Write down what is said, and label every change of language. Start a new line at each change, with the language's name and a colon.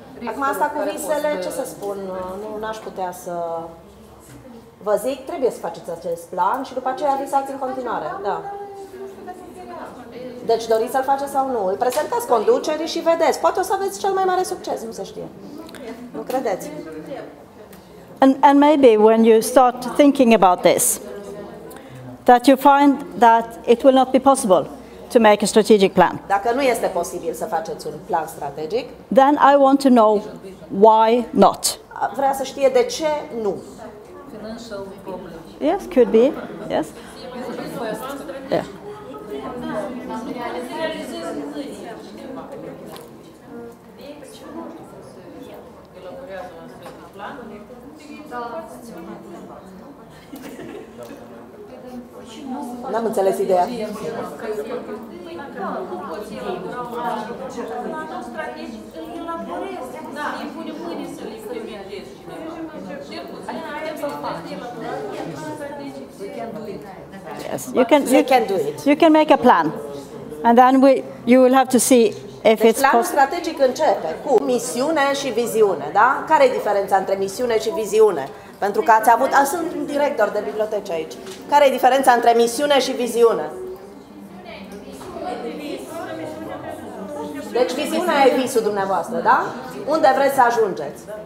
Romanian: Acum asta cu visele, ce să spun? Nu aș putea să... Vă zic, trebuie să faceți acest plan și după aceea visați în continuare. Da. Deci doriți să-l faceți sau nu? Îl prezentați conducerii și vedeți. Poate o să aveți cel mai mare succes, nu se știe. Nu credeți?
English: And maybe when you start thinking about this, that you find that it will not be possible to make a strategic plan.
Romanian: Dacă nu este posibil să faceți un plan strategic,
English: then I want to know why not.
Romanian: Vrea să știe de ce nu.
English: Yes, could be. Yes. Yeah.
Romanian: N-am înțeles ideea.
English: Yes, you can. You can do it. You can make a plan, and then we you will have to see if
Romanian: deci
English: it's
Romanian: planul strategic începe cu misiune și viziune, da? Care e diferența între misiune și viziune? Pentru că ați avut, sunt un director de bibliotecă aici. Care e diferența între misiune și viziune? Deci viziunea e visul dumneavoastră, da? Unde vreți să ajungeți?